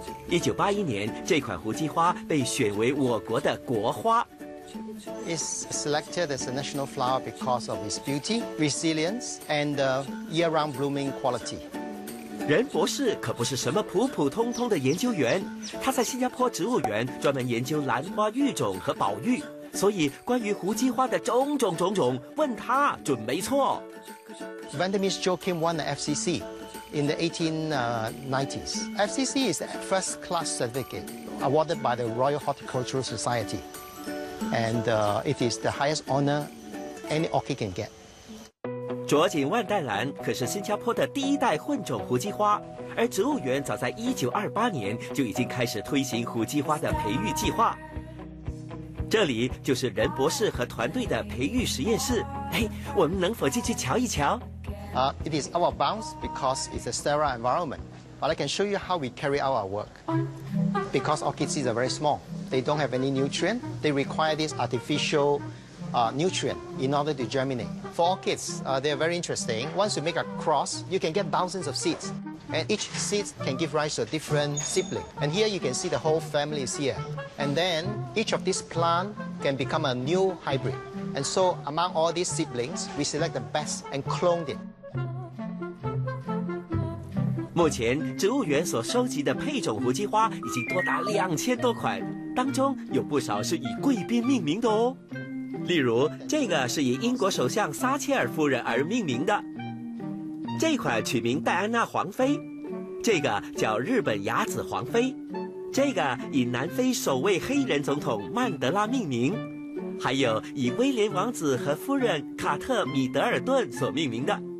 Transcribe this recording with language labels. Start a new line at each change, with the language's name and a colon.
Chinese: 1981年，这款胡姬花被选为我国的国花。
English: It's selected as a national flower because of its beauty, resilience, and year-round blooming quality.
Chinese: 任博士可不是什么普普通通的研究员，他在新加坡植物园专门研究兰花育种和保育，所以关于胡姬花的种种种种，问他准没错。
English: Vandermeer's Joachim won the FCC in the 1890s. FCC is the first class certificate awarded by the Royal Horticultural Society, and it is the highest honor any orchid can get.
Chinese: 卓锦万代兰可是新加坡的第一代混种胡姬花，而植物园早在1928年就已经开始推行胡姬花的培育计划。这里就是任博士和团队的培育实验室，哎，我们能否进去瞧一瞧？
English: It is out of bounds because it's a sterile environment, but I can show you how we carry out our work. Because orchid seeds are very small, they don't have any nutrient, they require this artificial nutrient in order to germinate. For orchids, they're very interesting. Once you make a cross, you can get thousands of seeds. And each seed can give rise to a different sibling. And here you can see the whole family is here. And then each of these plants can become a new hybrid. And so among all these siblings, we select the best and clone it.
Chinese: 目前植物园所收集的配种胡姬花已经多达2000多款，当中有不少是以贵宾命名的哦。例如，这个是以英国首相撒切尔夫人而命名的，这款取名戴安娜皇妃，这个叫日本雅子皇妃，这个以南非首位黑人总统曼德拉命名，还有以威廉王子和夫人卡特米德尔顿所命名的。